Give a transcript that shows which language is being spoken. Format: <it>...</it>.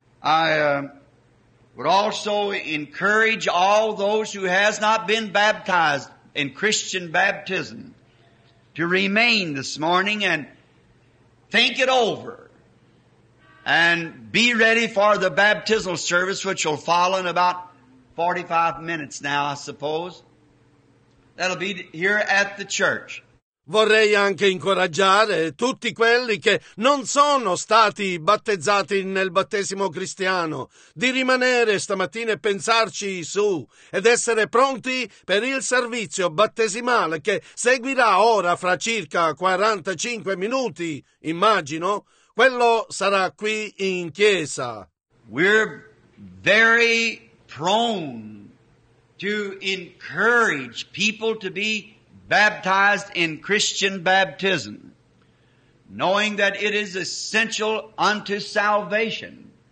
<en>I would also encourage all those who has not been baptized in Christian baptism to remain this morning and think it over and be ready for the baptismal service which will follow in about 45 minutes now, I suppose. That'll be here at the church.</en> <it>Vorrei anche incoraggiare tutti quelli che non sono stati battezzati nel battesimo cristiano di rimanere stamattina e pensarci su ed essere pronti per il servizio battesimale che seguirà ora fra circa 45 minuti, immagino. Quello sarà qui in chiesa.</it> <en>We're very prone to encourage people to be baptized in Christian baptism, knowing that it is essential unto salvation.</en>